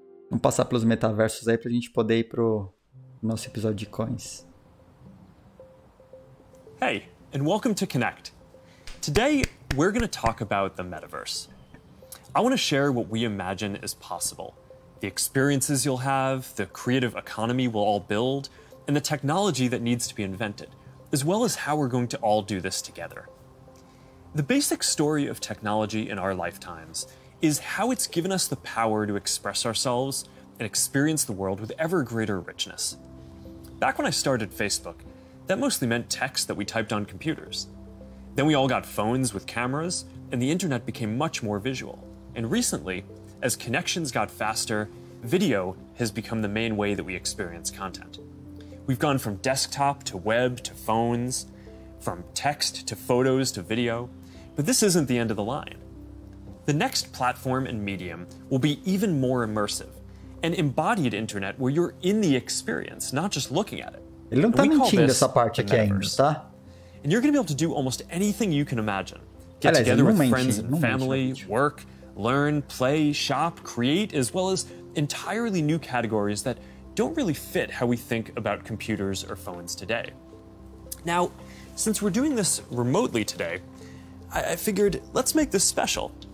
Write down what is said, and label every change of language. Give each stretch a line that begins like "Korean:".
Portuguese: Vamos passar pelos metaversos aí pra gente poder ir pro nosso episódio de coins.
English: Hey, and welcome to Connect. Today, we're going to talk about the metaverse. I want to share what we imagine is possible. The experiences you'll have, the creative economy we'll all build, and the technology that needs to be invented, as well as how we're going to all do this together. The basic story of technology in our lifetimes is how it's given us the power to express ourselves and experience the world with ever greater richness. Back when I started Facebook, that mostly meant text that we typed on computers. Then we all got phones with cameras, and the internet became much more visual. And recently, as connections got faster, video has become the main way that we experience content. We've gone from desktop to web to phones, from text to photos to video, but this isn't the end of the line. The next platform and medium will be even more immersive, an embodied internet where you're in the experience, not just looking at it.
Portuguese: Ele não tá mentindo essa parte aqui ainda, tá?
English: And you're going to be able to do almost anything you can imagine. Get together with friends and family, work, learn, play, shop, create, as well as entirely new categories that don't really fit how we think about computers or phones today. Now, since we're doing this remotely today, I figured let's make this special.